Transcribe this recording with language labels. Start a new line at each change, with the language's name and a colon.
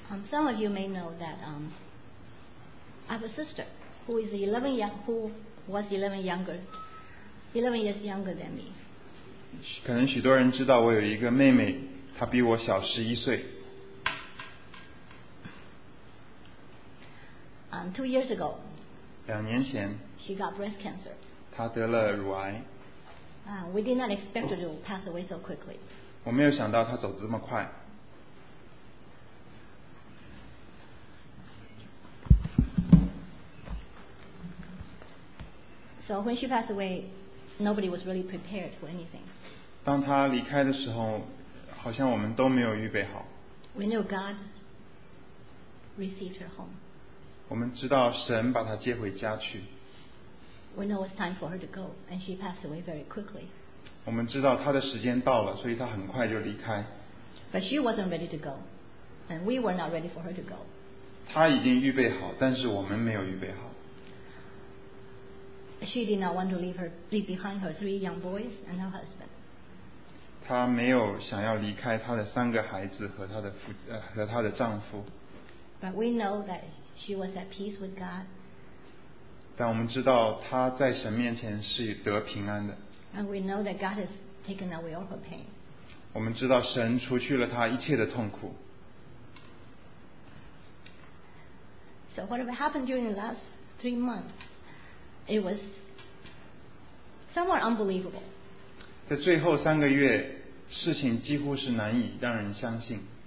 English: Some of you may know that I have a sister who is 11 years younger than me.
Chinese: 可能许多人知道我有一个妹妹，她比我小11岁。
English: 2 years ago,
Chinese: 两年前，
English: she got breast cancer.
Chinese: 她得了乳癌。
English: We did not expect her to pass away so quickly.
Chinese: 我没有想到她走这么快。
English: So when she passed away, nobody was really prepared for anything.
Chinese: 当她离开的时候，好像我们都没有预备好。
English: We knew God received her home.
Chinese: 我们知道神把她接回家去。
English: We know it's time for her to go, and she passed away very quickly.
Chinese: 我们知道她的时间到了，所以她很快就离开。
English: But she wasn't ready to go, and we were not ready for her to go.
Chinese: 她已经预备好，但是我们没有预备好。
English: She did not want to leave behind her three young boys and her husband.
Chinese: 她没有想要离开她的三个孩子和她的夫和她的丈夫。
English: But we know that she was at peace with God.
Chinese: 但我们知道她在神面前是得平安的。
English: And we know that God has taken away all her pain.
Chinese: 我们知道神除去了她一切的痛苦。
English: So whatever happened during the last 3 months? It was somewhat unbelievable.
Chinese: 在最后三个月，事情几乎是难以让人相信。